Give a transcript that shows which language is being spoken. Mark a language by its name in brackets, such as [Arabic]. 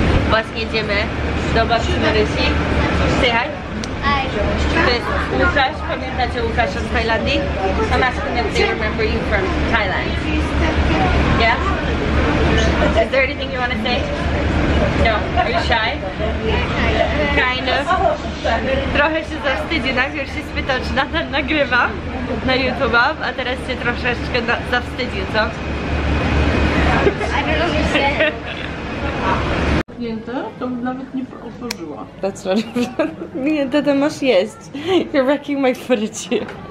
[Polish] Właśnie jedziemy do babci Marysi. [English] Say hi. Hi. [Polish] Łukasz, pamiętacie Łukasza z Tajlandii? [English] I'm asking if they remember you from Thailand. Yeah? Is there anything you want to say? No. Are you shy? Kind of. [Polish] Trochę się zawstydzi. Najpierw się spytał, czy nadal nagrywam na YouTube, a teraz się troszeczkę zawstydził, co? [English] I don't know what you said. [Polish] To nawet nie otworzyła. [English] That's right. [Polish] Nie, to ty masz jeść. [English] You're wrecking my footage.